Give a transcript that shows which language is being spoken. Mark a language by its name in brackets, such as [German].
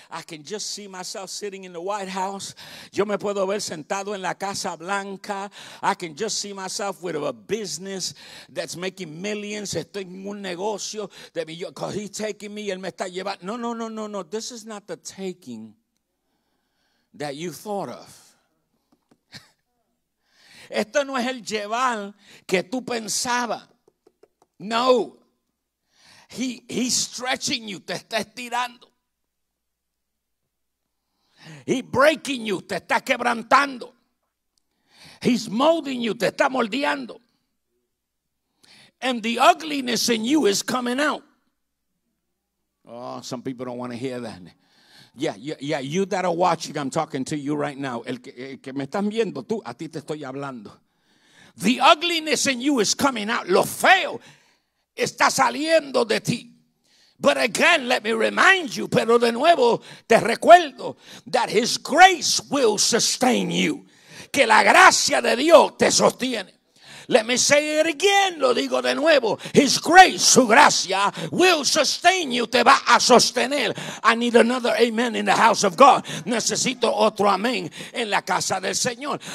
[English] I can just see myself sitting in the White House. [Spanish] Yo me puedo ver sentado en la Casa Blanca. [English] I can just see myself with a business that's making millions. [Spanish] Estoy en un negocio. [English] Because he's taking me. [Spanish] Él me está llevando. No, no, no, no, no. [English] This is not the taking that you thought of. [Spanish] Esto no es el llevar que tú pensabas. [English] No, he's stretching you, [Spanish] te está estirando. [English] He's breaking you, [Spanish] te está quebrantando. [English] He's molding you, [Spanish] te está moldeando. [English] And the ugliness in you is coming out. Oh, some people don't want to hear that. Yeah, you that are watching, I'm talking to you right now. [Spanish] El que me estás viendo, tú, a ti te estoy hablando. [English] The ugliness in you is coming out. [Spanish] Lo feo está saliendo de ti. [English] But again, let me remind you, [Spanish] pero de nuevo te recuerdo, [English] that his grace will sustain you. [Spanish] Que la gracia de Dios te sostiene. [English] Let me say it again, [Spanish] lo digo de nuevo. [English] His grace, [Spanish] su gracia, [English] will sustain you, [Spanish] te va a sostener. [English] I need another amen in the house of God. [Spanish] Necesito otro amén en la casa del Señor.